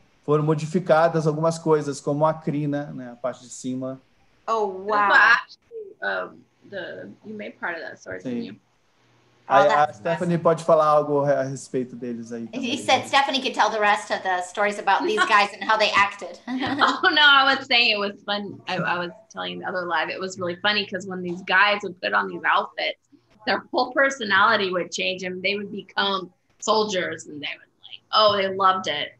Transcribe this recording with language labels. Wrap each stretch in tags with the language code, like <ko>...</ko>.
<pt>Foram modificadas algumas coisas, como a crina, né? A parte de cima.</pt> <en>Oh, wow. You made part of that sword, didn't you?</en> <pt>Oh, a Stefanie pode falar algo a respeito deles aí.</pt> <en>He said Stefanie could tell the rest of the stories about these guys and how they acted. Oh, no, I was saying it was fun. I was telling the other live, it was really funny because when these guys would put on these outfits, their whole personality would change and they would become soldiers and they would like, oh, they loved it.</en>